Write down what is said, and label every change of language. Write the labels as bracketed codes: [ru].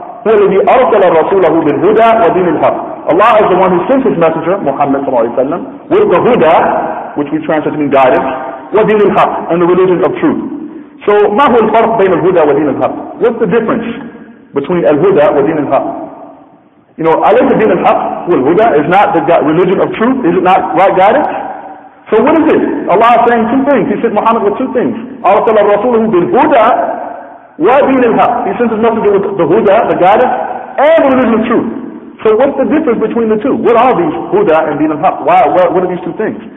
[ar] هُوَ الَّذِي أَرْسَلَ رَسُولَهُ بِالْهُدَى وَدِينِ الْحَقِّ. [en] Allah is the one who sent his messenger, Muhammad sallallahu alayhi wa sallam, with the huda, which we translate to mean guidance, [ar] وَدِينِ الْحَقِّ, [en] and the religion of truth. [ar] So, مَا هُوَ الْفَرْقُ بَيْنَ الْهُدَى وَدِينِ الْحَقِّ? [en] What's the difference between al-huda wa din al-haq? [ar] You know, أَلَيْسَ دِينَ الْحَقِّ وَالْهُدَى? [en] Is not the religion of truth? Is it not right guidance? So what is it? Allah is saying two things. He sent Muhammad with two things. [ar] أَرْسَلَ رَسُولَهُ بِالْهُدَى وَدِينِ الْحَقِّ. [en] He sent his messenger with the huda, the guidance, and the religion of truth. So what's the difference between the two? What are these huda and din al-haq? Why? What are these two things?